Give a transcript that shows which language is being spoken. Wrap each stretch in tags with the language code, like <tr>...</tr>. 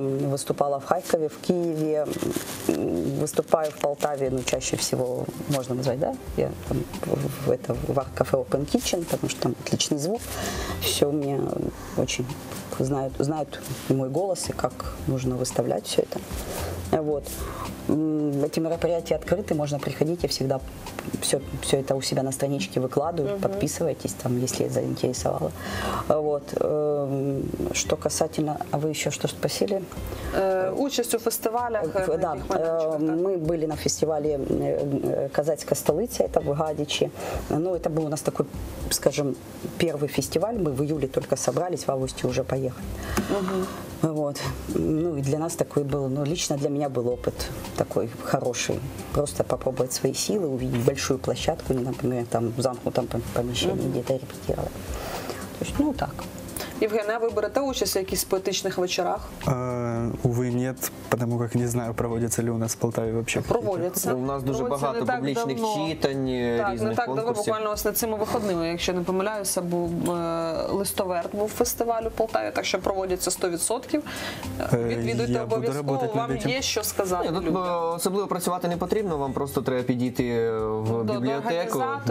<uk>Виступала в Харкові, в Києві, виступаю в Полтаві, ну,</uk> <ru>чаще всего</ru> <uk>можна назвати, да?</uk> <ru>Я там в кафе Open Kitchen,</ru> <uk>тому що</uk> <ru>там отличний звук, все у мене очень знают мой голос и как нужно выставлять все это. Вот. Эти мероприятия открыты, можно приходить, я всегда все это у себя на страничке выкладываю, подписывайтесь там, если заинтересовало. Вот. Что касательно, а вы еще что спросили?</ru> <uk>Участь у фестивалях.</uk> <ru>Да, мы были на фестивале «Казацкая столица», это в Гадичи. Ну, это был у нас такой, скажем, первый фестиваль, мы в июле только собрались, в августе уже поехали. Вот. Ну, и для нас такой был, ну, лично для меня был опыт такой хороший. Просто попробовать свои силы, увидеть большую площадку, например, там, в замкнутом помещении где-то репетировать. То есть, ну, так. Евгений, а вы берете участь в каких-то поэтичных вечерах? Увы, нет, потому как не знаю, проводятся ли у нас в Полтаве вообще. Проводятся. У нас очень много публичных читаний, разных конкурсов.</ru> <uk>Так,</uk> <ru>не так давно, буквально</ru> <uk>на цими</uk> <ru>выходными,</ru> <uk>якщо не помиляюся, був листоверт був фестиваль у Полтаві, так що проводяться 100%. Відвідуйте обов'язково, вам є що сказати. Тут особливо працювати не потрібно, вам просто треба підійти в бібліотеку.</uk>